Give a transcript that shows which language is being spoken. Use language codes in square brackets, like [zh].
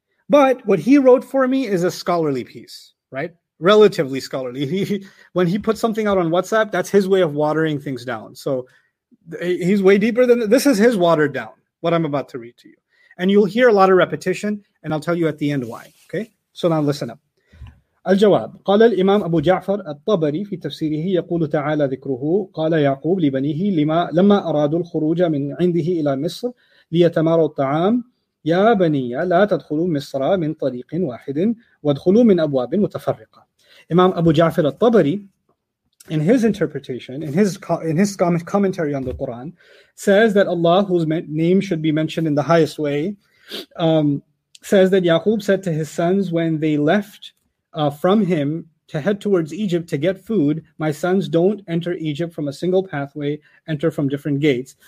[en] But what he wrote for me is a scholarly piece, right? Relatively scholarly. When he puts something out on WhatsApp, that's his way of watering things down. So he's way deeper than this. Is his watered down, what I'm about to read to you. And you'll hear a lot of repetition, and I'll tell you at the end why, okay? So now listen up. [ar] الجواب قال الإمام أبو جعفر الطبري في تفسيره يقول تعالى ذكره قال يعقوب لبنيه لما أرادوا الخروج من عنده إلى مصر ليتماروا الطعام يا بني لا تدخلوا مصر من طريق واحد وادخلوا من أبواب متفرقة. [en] إمام أبو جعفر الطبري, in his interpretation, in his commentary on the Quran, says that Allah, whose name should be mentioned in the highest way, says that Yaqub said to his sons when they left from him to head towards Egypt to get food, my sons, don't enter Egypt from a single pathway, enter from different gates.